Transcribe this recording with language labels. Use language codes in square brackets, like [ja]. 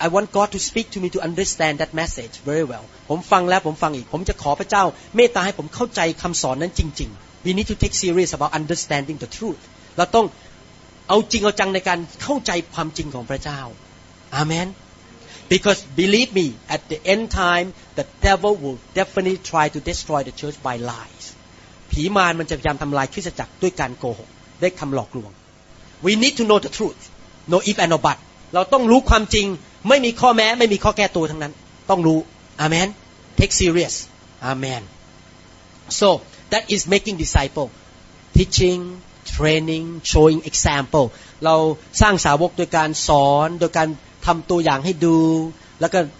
[en] I want God to speak to me to understand that message very well. [th] ผมฟังแล้วผมฟังอีกผมจะขอพระเจ้าเมตตาให้ผมเข้าใจคำสอนนั้นจริงๆ [en] We need to take serious about understanding the truth. [th] เราต้องเอาจริงเอาจังในการเข้าใจความจริงของพระเจ้า Amen. [en] Because believe me, at the end time, the devil will definitely try to destroy the church by lies. [th] ผีมารมันจะพยายามทำลายคริสตจักรด้วยการโกหกด้วยคำหลอกลวง [en] We need to know the truth No if and no but [th] เราต้องรู้ความจริงไม่มีข้อแม้ไม่มีข้อแก้ตัวทั้งนั้นต้องรู้ Amen [en] Take serious [th] Amen [en] So that is making disciple Teaching Training Showing example [th] เราสร้างสาวกโดยการสอนโดยการทำตัวอย่างให้ดูแล้วก็